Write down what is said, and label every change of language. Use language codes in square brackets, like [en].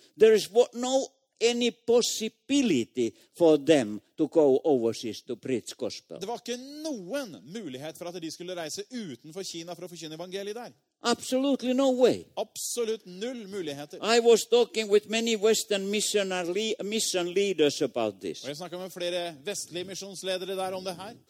[en] There is what, no any possibility for them to go overseas to preach gospel. [no] Det var ikke noen mulighet for at de skulle reise utenfor Kina for å forkynne evangeliet der. [en] Absolutely no way. [no] Absolut null muligheter. [en] I was talking with many Western mission leaders about this. [no] Jeg snakket med flere vestlige misjonsledere der om det her.